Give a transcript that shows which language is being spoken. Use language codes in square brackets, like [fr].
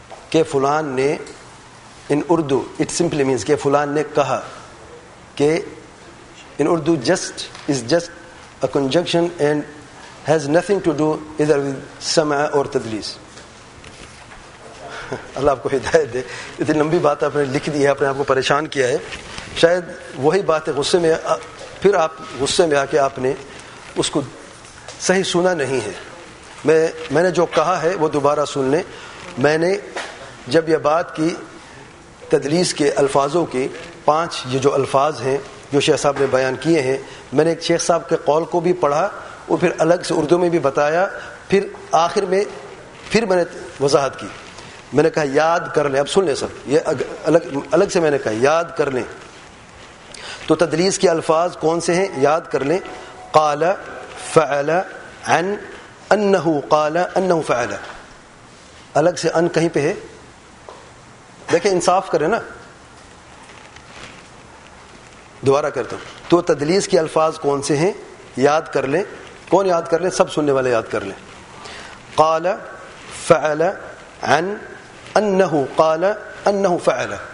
[ur] کہ فلان نے [en] in Urdu it simply means [ur] کہ فلان نے کہا. [en] کہ in Urdu just is just a conjunction and has nothing to do either with سمع or تدليس. [ur] اللہ آپ کو ہدایت دے. اتنی لمبی بات آپ نے لکھ دی ہے، آپ نے آپ کو پریشان کیا ہے. شاید وہی بات ہے، غصے میں پھر آپ غصے میں آ کے آپ نے اس کو صحیح سنا نہیں ہے. میں نے جو کہا ہے وہ دوبارہ سن لیں. میں نے جب یہ بات کی تدلیس کے الفاظوں کی، پانچ یہ جو الفاظ ہیں جو شیخ صاحب نے بیان کیے ہیں، میں نے ایک شیخ صاحب کے قول کو بھی پڑھا اور پھر الگ سے اردو میں بھی بتایا، پھر آخر میں پھر میں نے وضاحت کی. میں نے کہا یاد کر لیں، اب سن لیں سب، یہ الگ سے میں نے کہا یاد کر لیں. تو تدلیس کے الفاظ کون سے ہیں یاد کر لیں. [ar] قال فعل عن انه قال انه فعل. [ur] الگ سے ان کہیں پہ ہے؟ دیکھیں انصاف کریں نا. دوبارہ کرتا ہوں، تو تدلیس کے الفاظ کون سے ہیں یاد کر لیں. کون یاد کر لیں؟ سب سننے والے یاد کر لیں. [ar] قال فعل عن انہ قال انہ فعل.